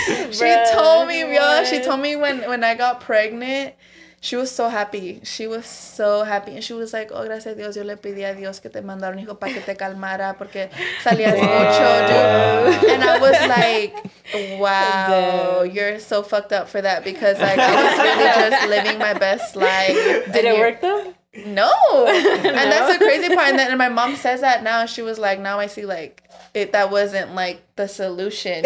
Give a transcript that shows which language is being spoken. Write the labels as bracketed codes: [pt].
[en] She told me, y'all. She told me when I got pregnant, she was so happy. She was so happy. And she was like, oh, [es] gracias a Dios. Yo le pedí a Dios que te mandara un hijo para que te calmara porque salías mucho, dude. [en] And I was like, wow, you're so fucked up for that because, like, I was really just living my best life. Did it work, though? No. And that's the crazy part. And my mom says that now. She was like, now I see, like, it, that wasn't, like, the solution.